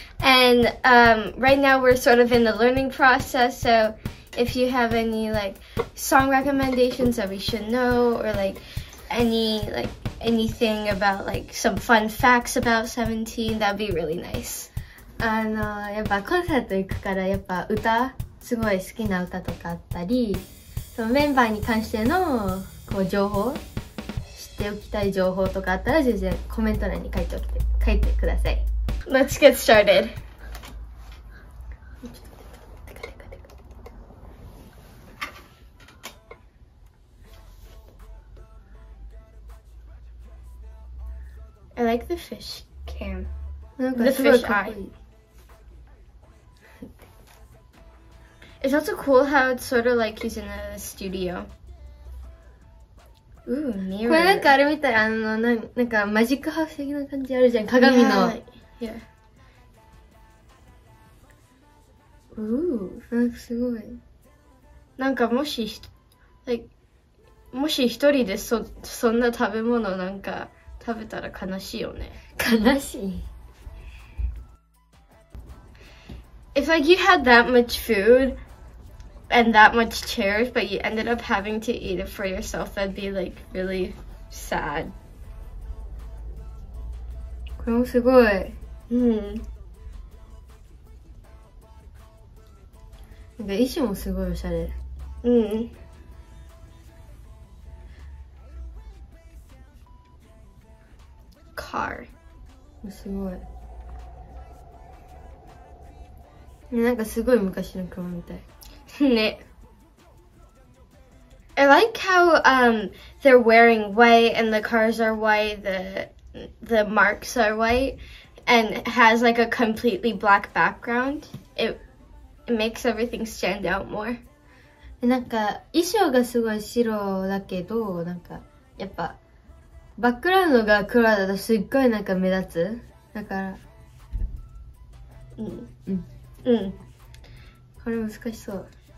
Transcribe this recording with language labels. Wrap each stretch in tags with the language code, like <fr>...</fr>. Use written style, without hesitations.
<en>And right now we're sort of in the learning process, so if you have any like song recommendations that we should know, or like any like anything about like some fun facts about 17, that'd be really nice.</en> <ja>やっぱコンサート行くからやっぱ歌すごい好きな歌とかあったり、そのメンバーに関してのこう情報、知っておきたい情報とかあったら全然コメント欄に書いておいて書いてください。</ja> <en>Let's get started. I like the fish cam. The fish eye. It's also cool how it's sort of like he's in a studio. Ooh, mirror.</en> <ja>これなんかあれみたい、なんかマジックハウス的な感じあるじゃん、鏡の。</ja> <en>Yeah. Yeah. Ooh,</en> <ja>なんかすごい。なんかもし、もし一人で そんな食べ物なんか食べたら悲しいよね。悲しい。</ja> <en>If like you had that much food and that much chairs, but you ended up having to eat it for yourself, that'd be like really sad.</en> <ja>これもすごい。うん、なんか衣装もすごいおしゃれ。うん。カーすごい、なんかすごい昔の車みたいね。</ja> <en>I like how they're wearing white and the cars are white, the marks are whiteAnd has like a completely black background. It makes everything stand out more.</en> <ja>なんか衣装がすごい白だけど、なんかやっぱバックグラウンドが黒だとすっごいなんか目立つ。だから、うん、うん、これ難しそう。</ja>